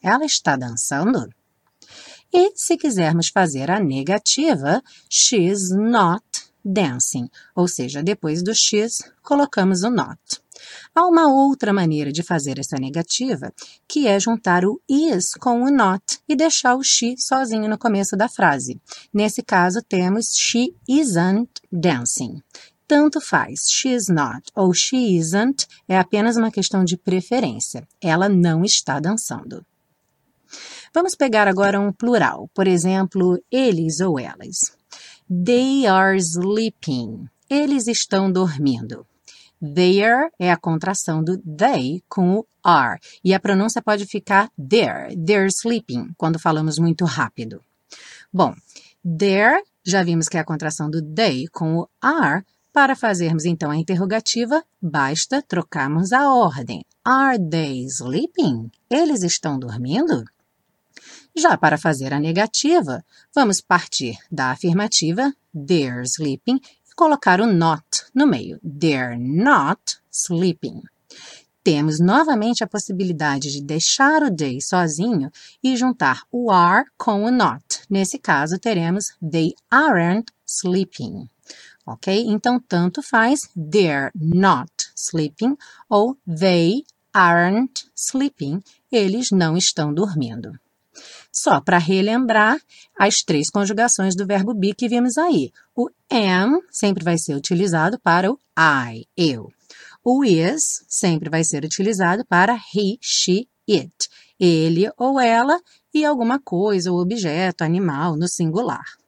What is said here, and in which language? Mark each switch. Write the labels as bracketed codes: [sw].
[pt] Ela está dançando? E se quisermos fazer a negativa, [en] she's not dancing. [pt] Ou seja, depois do she's, colocamos o not. Há uma outra maneira de fazer essa negativa, que é juntar o is com o not e deixar o she sozinho no começo da frase. Nesse caso, temos [en] she isn't dancing. [pt] Tanto faz, [en] she's not [pt] ou [en] she isn't [pt] é apenas uma questão de preferência. Ela não está dançando. Vamos pegar agora um plural, por exemplo, eles ou elas. [en] They are sleeping. [pt] Eles estão dormindo. There é a contração do they com o are. E a pronúncia pode ficar there, [en] they're sleeping, [pt] quando falamos muito rápido. Bom, there, já vimos que é a contração do they com o are. Para fazermos, então, a interrogativa, basta trocarmos a ordem. [en] Are they sleeping? [pt] Eles estão dormindo? Já para fazer a negativa, vamos partir da afirmativa, [en] they're sleeping, [pt] e colocar o not no meio, [en] they're not sleeping. [pt] Temos novamente a possibilidade de deixar o they sozinho e juntar o are com o not. Nesse caso, teremos [en] they aren't sleeping. [pt] Ok? Então, tanto faz [en] they're not sleeping [pt] ou [en] they aren't sleeping. [pt] Eles não estão dormindo. Só para relembrar as três conjugações do verbo be que vimos aí. O am sempre vai ser utilizado para o I, eu. O is sempre vai ser utilizado para he, she, it, ele ou ela e alguma coisa, ou objeto, animal, no singular.